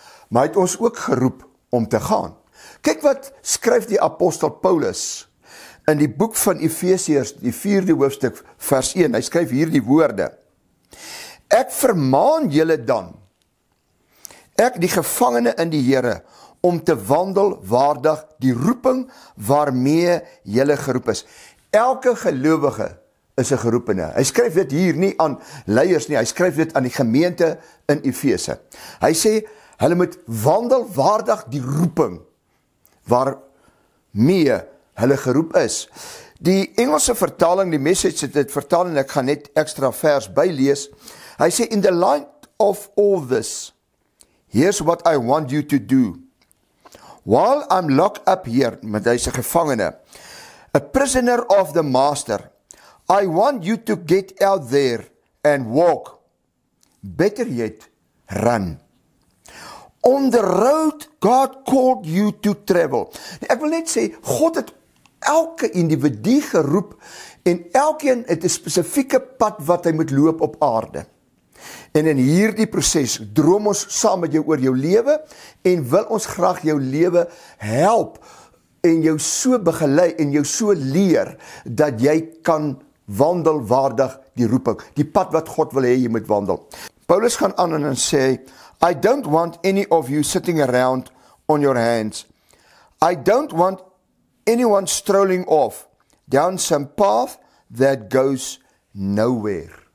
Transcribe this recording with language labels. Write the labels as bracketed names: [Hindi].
[Afrikaans] Maar hy het ons ook geroep om te gaan. Kyk wat skryf die apostel Paulus in die boek van Efesiërs, die 4de hoofstuk vers 1. Hy skryf hier die woorde. Ek vermaan julle dan, ek die gevangene in die Here, om te wandel waardig die roeping waarmee julle geroep is. Elke gelowige is 'n geroepene. Hy skryf dit hier nie aan leiers nie, hy skryf dit aan die gemeente in Efese. Hy sê hulle moet wandel waardig die roeping waarmee hulle geroep is. Die Engelse vertaling, die Message het dit vertaal en ek gaan net ekstra vers bylees. Hy sê, [English] in the light of all this, here's what I want you to do. While I'm locked up here, [Afrikaans] met hy is 'n gevangene, [English] a prisoner of the master, I want you to get out there and walk. Better yet, run. On the road, God called you to travel. [Afrikaans] Ek wil net sê, God het elke individu geroep en elkeen het 'n spesifieke pad wat hy moet loop op aarde. En in hierdie proses droom ons saam met jou oor jou lewe en wil ons graag jou lewe help en jou so begelei en jou so leer dat jy kan wandel waardig die roeping, die pad wat God wil hê jy moet wandel. Paulus gaan aan en sê, [English] I don't want any of you sitting around on your hands. I don't want anyone strolling off down some path that goes nowhere.